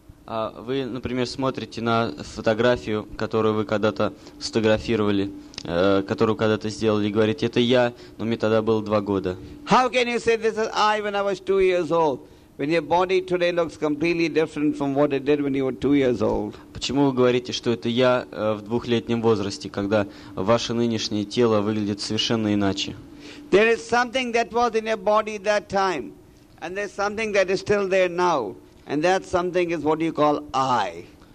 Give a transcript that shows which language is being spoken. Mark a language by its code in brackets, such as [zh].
[ru] Вы, например, смотрите на фотографию, которую вы когда-то сфотографировали, которую когда-то сделали, и говорите, это я, но мне тогда было 2 года. [en] How can you say this is I when I was 2 years old, when your body today looks completely different from what it did when you were 2 years old? [ru] Почему вы говорите, что это я в 2-летнем возрасте, когда ваше нынешнее тело выглядит совершенно иначе? [en] There is something that was in your body that time, and there's something that is still there now. And that something is what you call I.